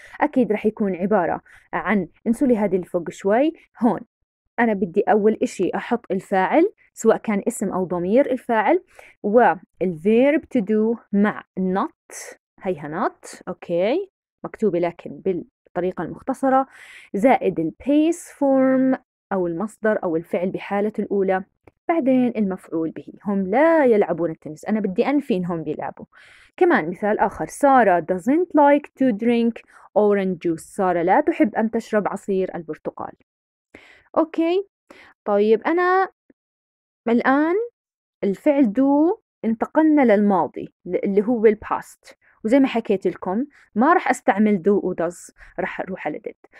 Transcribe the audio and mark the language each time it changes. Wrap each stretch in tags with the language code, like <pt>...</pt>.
<ar>أكيد رح يكون عبارة عن، انسوا لي هذه اللي فوق شوي، هون أنا بدي أول إشي أحط الفاعل سواء كان اسم أو ضمير الفاعل، والverb to do مع not، هيها not أوكي مكتوبة لكن بالطريقة المختصرة، زائد الpaste form أو المصدر أو الفعل بحالة الأولى، بعدين المفعول به. هم لا يلعبون التنس، أنا بدي أنفي إنهم بيلعبوا. كمان مثال آخر،</ar> <en>سارة doesn't like to drink orange juice.</en> <ar>سارة لا تحب أن تشرب عصير البرتقال. أوكي طيب أنا الآن الفعل do انتقلنا للماضي اللي هو الباست، وزي ما حكيت لكم ما رح استعمل دو ودز، رح اروح على ديد.</ar>